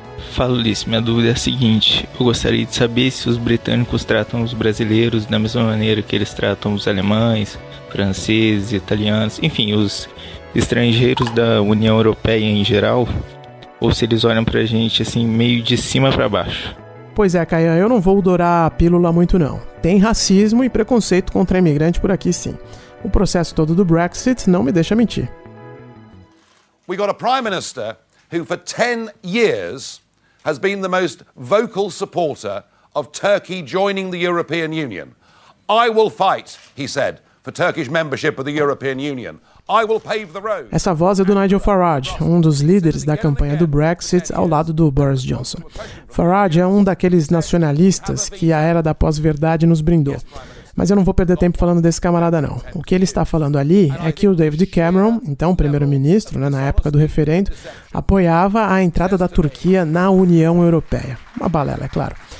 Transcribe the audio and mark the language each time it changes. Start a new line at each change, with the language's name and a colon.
Portuguese: Fala, Ulisse, minha dúvida é a seguinte: eu gostaria de saber se os britânicos tratam os brasileiros da mesma maneira que eles tratam os alemães, franceses, italianos, enfim, os estrangeiros da União Europeia em geral, ou se eles olham pra gente assim, meio de cima pra baixo. Pois é, Caian, eu não vou dourar a pílula muito não. Tem racismo e preconceito contra imigrante por aqui, sim. O processo todo do Brexit não me deixa mentir.
English: We got a Prime Minister who for 10 years has been the most vocal supporter of Turkey joining the European Union. I will fight, he said, for Turkish membership of the European Union. I will pave the road.
Portuguese: Essa voz é do Nigel Farage, um dos líderes da campanha do Brexit ao lado do Boris Johnson. Farage é um daqueles nacionalistas que a era da pós-verdade nos brindou. Mas eu não vou perder tempo falando desse camarada, não. O que ele está falando ali é que o David Cameron, então primeiro-ministro, né, na época do referendo, apoiava a entrada da Turquia na União Europeia. Uma balela, é claro.